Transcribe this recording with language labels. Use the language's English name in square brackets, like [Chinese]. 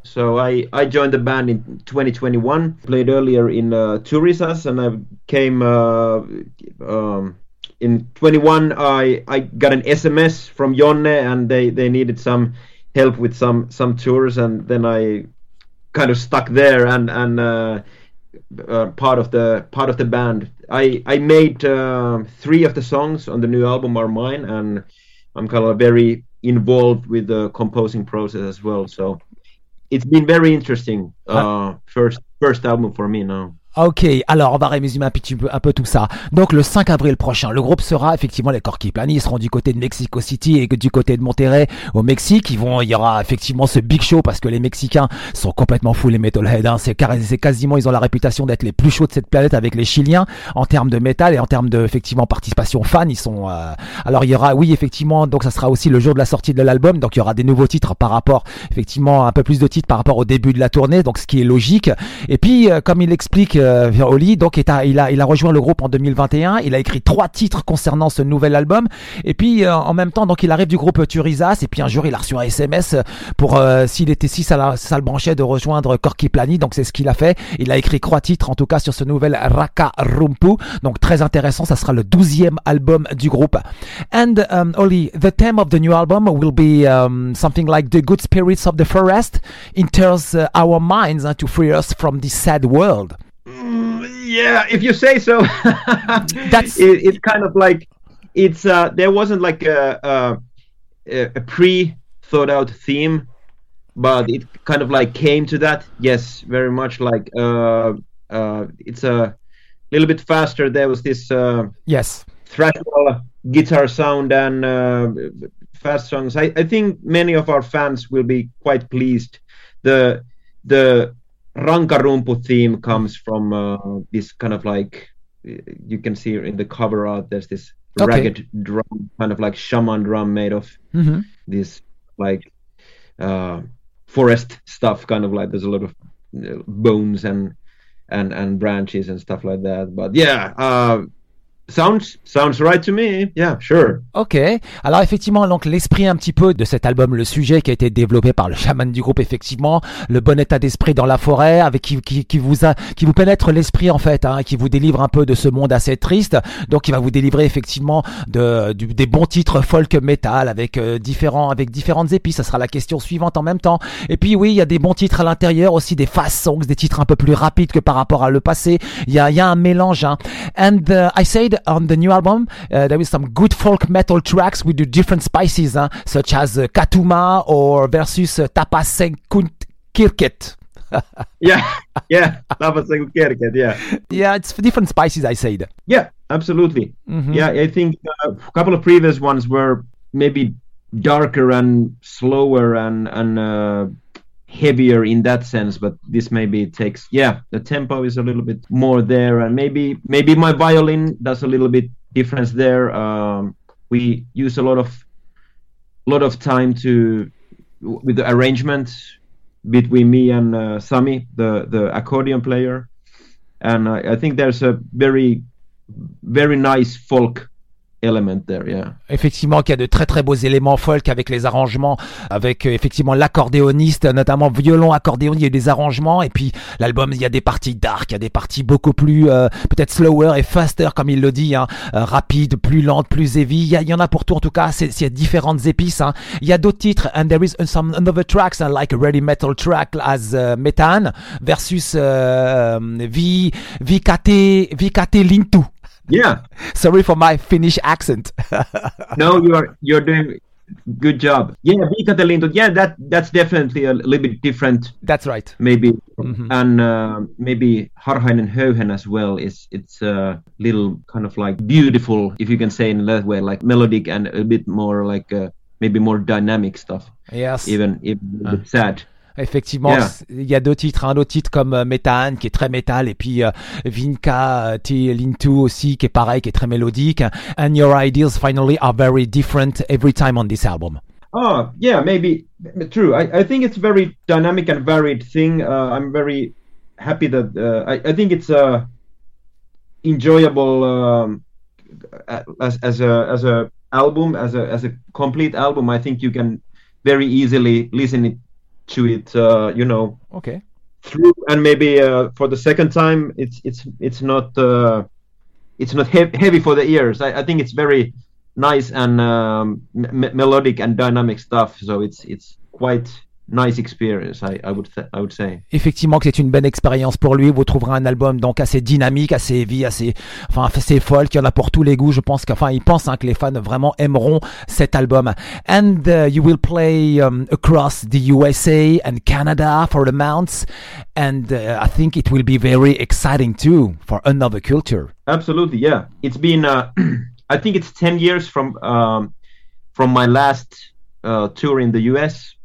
[English] So I joined the band in 2021, played earlier in Turisas, and I came in 21, I got an SMS from Jonne, and they needed some help with some tours, and then I kind of stuck there and part of the band. I made three of the songs on the new album are mine, and I'm kind of very involved with the composing process as well. So it's been very interesting first album for me now. [French] Ok, alors on va résumer un peu tout ça. Donc le 5 avril prochain, le groupe sera effectivement les Corky Plamny. Ils seront du côté de Mexico City et du côté de Monterrey au Mexique. Il y aura effectivement ce big show parce que les Mexicains sont complètement fous les metalheads. Hein. C'est quasiment, ils ont la réputation d'être les plus chauds de cette planète avec les Chiliens en termes de métal et en termes de effectivement participation fan. Ils sont. Alors il y aura, oui effectivement, donc ça sera aussi le jour de la sortie de l'album. Donc il y aura des nouveaux titres par rapport, effectivement un peu plus de titres par rapport au début de la tournée. Donc ce qui est logique. Et puis comme il explique. Oli, donc il a rejoint le groupe en 2021. Il a écrit trois titres concernant ce nouvel album. Et puis en même temps, donc il arrive du groupe Turisas. Et puis un jour, il a reçu un SMS pour si ça le branchait de rejoindre Corky Plamny. Donc c'est ce qu'il a fait. Il a écrit trois titres en tout cas sur ce nouvel Rankarumpu. Donc très intéressant. Ça sera le 12e album du groupe. [English] And Oli, the theme of the new album will be something like the good spirits of the forest enters our minds to free us from this sad world. Yeah, if you say so. That's it's kind of like it's there wasn't like a pre thought out theme, but it kind of like came to that. Yes, very much like it's a little bit faster. There was this thrash guitar sound and fast songs. I think many of our fans will be quite pleased. The Rankarumpu theme comes from this kind of like, you can see in the cover art, there's this ragged drum, kind of like shaman drum made of this like forest stuff, kind of like there's a lot of bones and branches and stuff like that. But yeah, Sounds right to me. Yeah, sure. Ok. [French] Alors effectivement, donc l'esprit un petit peu de cet album, le sujet qui a été développé par le chaman du groupe, effectivement, le bon état d'esprit dans la forêt, avec qui vous pénètre l'esprit en fait, qui vous délivre un peu de ce monde assez triste. Donc il va vous délivrer effectivement des bons titres folk metal avec différentes épices. Ça sera la question suivante en même temps. Et puis oui, il y a des bons titres à l'intérieur aussi, des fast songs, des titres un peu plus rapides que par rapport à le passé. Il y a un mélange. [English] And I say on the new album, there is some good folk metal tracks with the different spices, such as Katuma or versus Tapasenkun Kirket. yeah, Tapasenkun Kirket, yeah. Yeah, it's different spices, I said. Yeah, absolutely. Mm-hmm. Yeah, I think a couple of previous ones were maybe darker and slower and heavier in that sense, but this maybe takes, yeah, the tempo is a little bit more there, and maybe my violin does a little bit difference there. We use a lot of time to with the arrangement between me and Sami, the accordion player, and I think there's a very very nice folk element there, yeah. [French] Effectivement, qu'il y a de très très beaux éléments folk avec les arrangements, avec effectivement l'accordéoniste, notamment violon, accordéon, il y a des arrangements, et puis l'album, il y a des parties dark, il y a des parties beaucoup plus, peut-être slower et faster, comme il le dit, hein, rapide, plus lente, plus heavy, il y en a pour tout en tout cas, il y a différentes épices, hein. Il y a d'autres titres, [English] and there is some another tracks, like a ready metal track, as Methane, versus Vikate Lintu. Yeah. Sorry for my Finnish accent. No, you're doing good job. Yeah, Vikate Lintu. Yeah, that's definitely a little bit different. That's right. Maybe mm-hmm. and maybe Harhainen Höyhen as well is it's a little kind of like beautiful, if you can say in that way, like melodic and a bit more like maybe more dynamic stuff. Yes. Even sad. [French] Effectivement, il y a deux titres, un autre titre comme Methane qui est très métal et puis Vikate Lintu aussi qui est pareil, qui est très mélodique. [English] And your ideas finally are very different every time on this album. Oh, yeah, maybe true. I think it's a very dynamic and varied thing. I'm very happy that I think it's enjoyable as a album, as a complete album. I think you can very easily listen it to it, you know. Okay. Through and maybe for the second time, it's not heavy for the ears. I think it's very nice and melodic and dynamic stuff. So it's quite nice experience, I would say. [French] Effectivement, que c'est une bonne expérience pour lui. Vous trouverez un album donc assez dynamique, assez heavy, assez folk. Il y en a pour tous les goûts. Je pense qu'enfin, il pense hein, que les fans vraiment aimeront cet album. [English] And you will play across the USA and Canada for the months. And I think it will be very exciting too for another culture. Absolutely, yeah. It's been, I think it's 10 years from my last tour in the US.